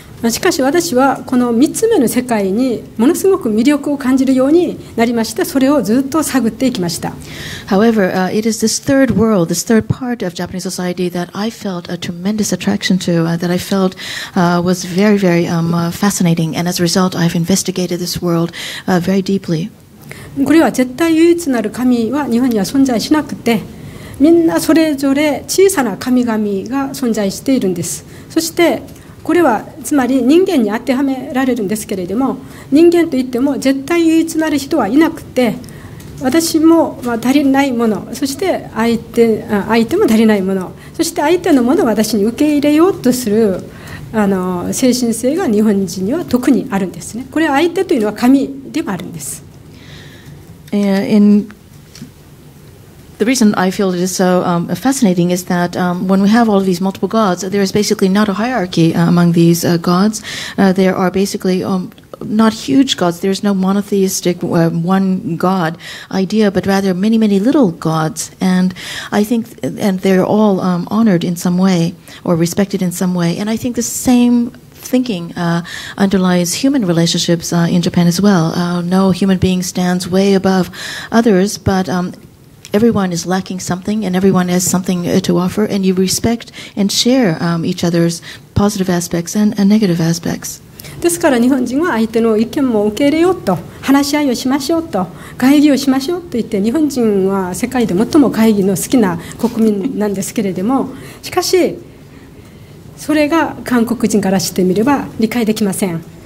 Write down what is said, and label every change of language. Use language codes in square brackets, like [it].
[ja] しかし私はこの3つ目の世界にものすごく魅力を感じるようになりました。それをずっと探っていきました。 [en] However, it is this third world, this third part of Japanese society that I felt a tremendous attraction to, that I felt was very, very fascinating. And as a result, I've investigated this world very deeply. [ja] これは絶対唯一なる神は日本には存在しなくて、みんなそれぞれ小さな神々が存在しているんです。そしてこれはつまり人間に当てはめられるんですけれども、人間といっても絶対唯一なる人はいなくて、私も足りないもの、そして相手も足りないもの、そして相手のものを私に受け入れようとする精神性が日本人には特にあるんですね。これは相手というのは神でもあるんです。 [en] The reason I feel it is so fascinating is that when we have all of these multiple gods, there is basically not a hierarchy among these gods. There are basically not huge gods. There is no monotheistic one god idea, but rather many, many little gods. And I think, and they're all honored in some way or respected in some way. And I think the same thinking underlies human relationships in Japan as well. No human being stands way above others, but everyone is lacking something, and everyone has something to offer, and you respect and share each other's positive aspects and negative aspects. [ja] ですから日本人は相手の意見も受け入れようと、話し合いをしましょうと、会議をしましょうと言って、日本人は世界で最も会議の好きな国民なんですけれども、しかし、それが韓国人からしてみれば理解できません。